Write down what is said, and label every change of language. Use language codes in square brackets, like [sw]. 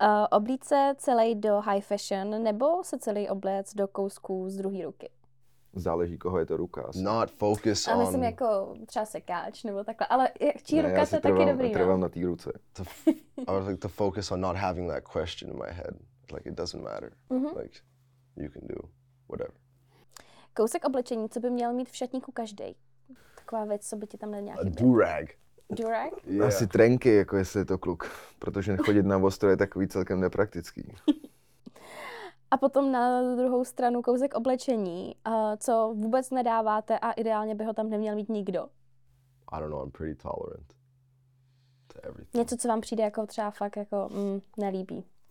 [cs] Oblíct se celý do high fashion nebo se celý obléc do kousků z druhé ruky? Záleží, koho je to ruka. [en] Not focus on... [cs] A myslím jako třeba sekáč nebo takhle, ale čí ne, ruka se taky dobrý. Já trvám na té ruce. [en] I was like to focus on not having that question in my head. Like it doesn't matter. Mm-hmm. Like you can do whatever. [cs] Kousek oblečení, co by měl mít v šatníku každý? Taková věc, co by ti tam nějaký... [en] Durag. Durag? Yeah. [cs] Asi trenky, jako jestli je to kluk. Protože chodit na ostro je takový celkem nepraktický. A potom na druhou stranu kousek oblečení, co vůbec nedáváte a ideálně by ho tam neměl mít nikdo. [en] I don't know, I'm pretty tolerant to everything. [cs] Něco, co vám přijde jako třeba fakt jako nelíbí.